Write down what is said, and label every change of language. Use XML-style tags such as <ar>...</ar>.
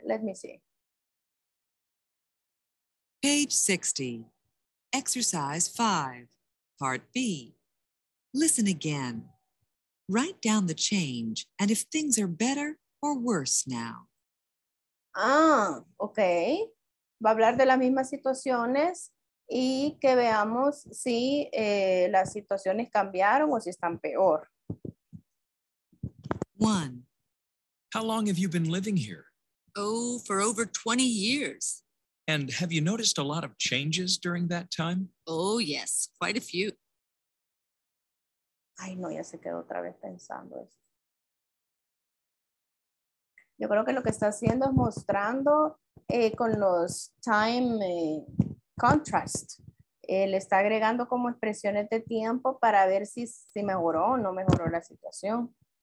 <en>Let me see. Page 60, exercise 5, part B. Listen again. Write down the change and if things are better or worse now. Ah, okay.</en> <es>Va a hablar de las mismas situaciones y que veamos si las situaciones cambiaron o si están peor.</es> <en>1. How long have you been living here? Oh, for over 20 years. And have you noticed a lot of changes during that time? Oh, yes, quite a few.</en> <es>Ay, no, ya se quedó otra vez pensando eso. Yo creo que lo que está haciendo es mostrando con los time contrast. Le está agregando como expresiones de tiempo para ver si mejoró o no mejoró la situación.</es>